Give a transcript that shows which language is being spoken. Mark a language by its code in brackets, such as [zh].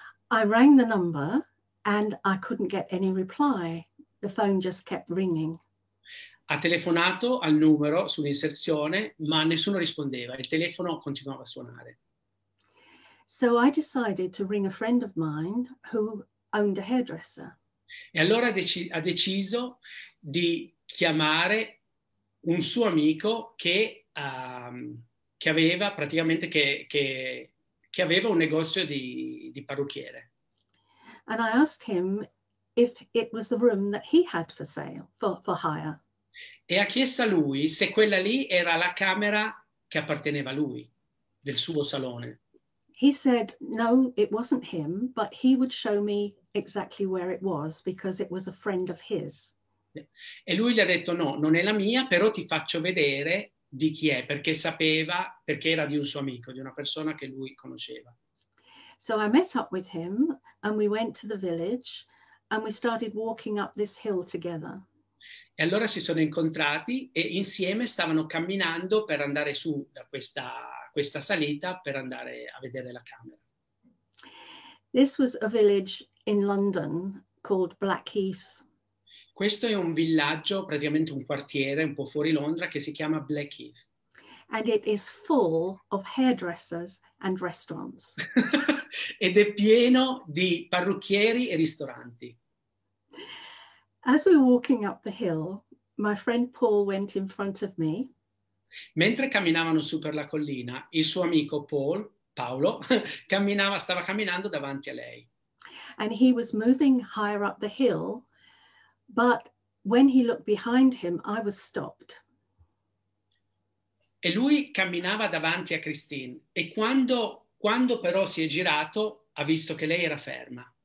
[en] I rang the number and I couldn't get any reply. The phone just kept ringing. [it] Ha telefonato al numero sull'inserzione, ma nessuno rispondeva. Il telefono continuava a suonare. [en] So I decided to ring a friend of mine who owned a hairdresser. [it] E allora ha deciso di chiamare un suo amico che aveva un negozio di parrucchiere. [en] And I asked him if it was the room that he had for sale, for hire. [it] E ha chiesto a lui se quella lì era la camera che apparteneva a lui, del suo salone. [en] He said, no, it wasn't him, but he would show me exactly where it was, because it was a friend of his. [it] E lui gli ha detto, no, non è la mia, però ti faccio vedere di chi è, perché sapeva, perché era di un suo amico, di una persona che lui conosceva. [en] So I met up with him and we went to the village and we started walking up this hill together. [it] E allora si sono incontrati e insieme stavano camminando per andare su da questa salita per andare a vedere la camera. [en] This was a village in London called Blackheath. [it] Questo è un villaggio, praticamente un quartiere, un po' fuori Londra, che si chiama Blackheath. [en] And it is full of hairdressers and restaurants. [it] Ed è pieno di parrucchieri e ristoranti. [en] As we were walking up the hill, my friend Paul went in front of me. [it] Mentre camminavano su per la collina, il suo amico Paolo, stava camminando davanti a lei. [en] And he was moving higher up the hill, but when he looked behind him, I was stopped. [it] E lui camminava davanti a Christine, e quando però si è girato, ha visto che lei era ferma.